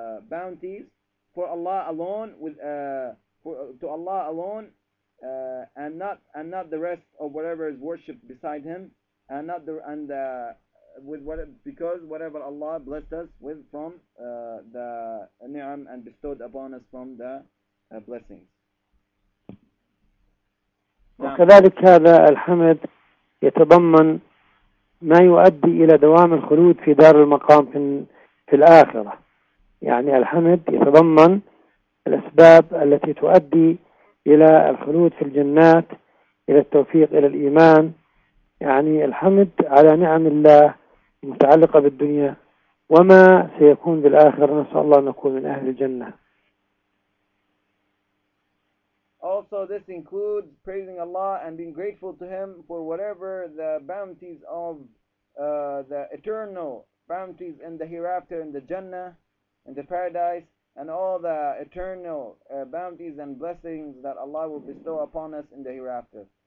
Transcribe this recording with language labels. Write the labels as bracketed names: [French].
[English] bounties for Allah alone and not the rest of whatever is worshipped beside Him and not the and with what because whatever Allah blessed us with from the ni'am and bestowed upon us from the blessings. [Arabic] وكذلك هذا الحمد يتضمن ما يؤدي إلى دوام الخلود في دار المقام في الآخرة يعني الحمد يتضمن الأسباب التي تؤدي إلى الخلود في الجنات إلى التوفيق إلى الإيمان يعني الحمد على نعم الله المتعلقة بالدنيا وما سيكون بالآخرة نسأل الله أن نكون من أهل الجنة. [English] Also, this includes praising Allah and being grateful to Him for whatever the bounties of the eternal bounties in the hereafter, in the Jannah, in the Paradise, and all the eternal bounties and blessings that Allah will bestow upon us in the hereafter.